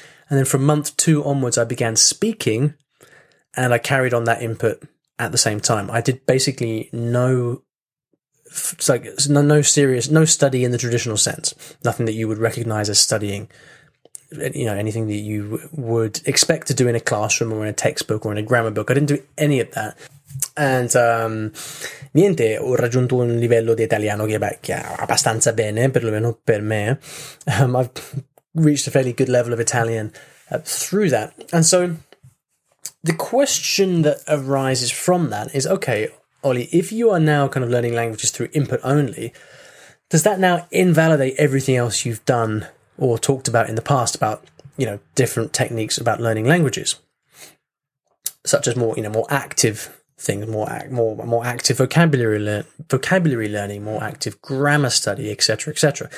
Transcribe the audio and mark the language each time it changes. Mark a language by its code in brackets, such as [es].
[en] And then from month two onwards, I began speaking, and I carried on that input at the same time. I did basically no no study in the traditional sense, nothing that you would recognize as studying, you know, anything that you would expect to do in a classroom or in a textbook or in a grammar book. I didn't do any of that. [it] And niente, ho raggiunto un livello di italiano che è abbastanza bene, perlomeno per me. [en] I've reached a fairly good level of Italian through that. And so the question that arises from that is, okay, Oli, if you are now kind of learning languages through input only, does that now invalidate everything else you've done or talked about in the past about, you know, different techniques about learning languages, such as more, you know, more active things, more active vocabulary learning, more active grammar study, etc., etc.?